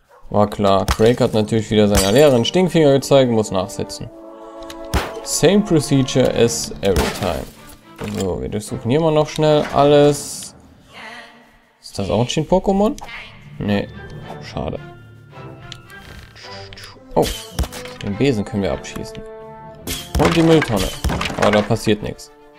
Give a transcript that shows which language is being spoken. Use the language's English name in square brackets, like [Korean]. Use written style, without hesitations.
[German] War klar, Craig hat natürlich wieder seiner Lehrerin Stinkfinger gezeigt, muss nachsitzen. [English] Same procedure as every time. [German] So, wir durchsuchen hier mal noch schnell alles. Ist das auch ein Shin-Pokémon? Nee, schade. Oh, den Besen können wir abschießen. Und die Mülltonne. Aber da passiert nichts.